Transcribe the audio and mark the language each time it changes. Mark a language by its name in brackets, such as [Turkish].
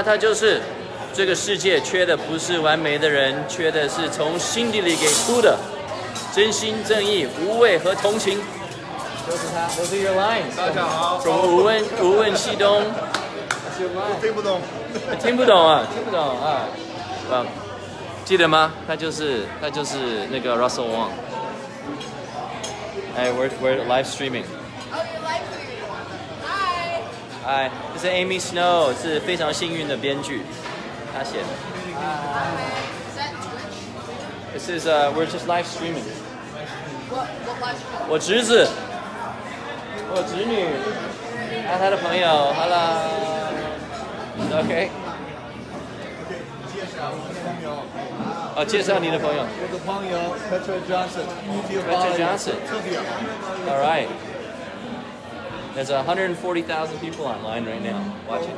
[Chinese] 他就是这个世界缺的不是完美的人，缺的是从心底里给出的真心、正义、无畏和同情。 [English] Those are your lines. [Chinese] 大家好。 [English] From 无问西东。 [Chinese] 听不懂啊。 [English] Well, [Chinese] 记得吗？他就是那个 Russell Wong. [English] Hey, we're live streaming. Oh, you're live streaming. Hi. Hi, [Chinese] 这是 Amy Snow, 是非常幸运的编剧，他写的。 [English] Hi. This is we're just live streaming. What live streaming? [Chinese] 我侄女，还有他的朋友 ， [English] Hello。 OK. Okay, [Chinese] 介绍我的朋友。介绍你的朋友。我的朋友 Petra Johnson. Petra Johnson. 特别好。 [English] All right. There's 140,000 people online right now watching.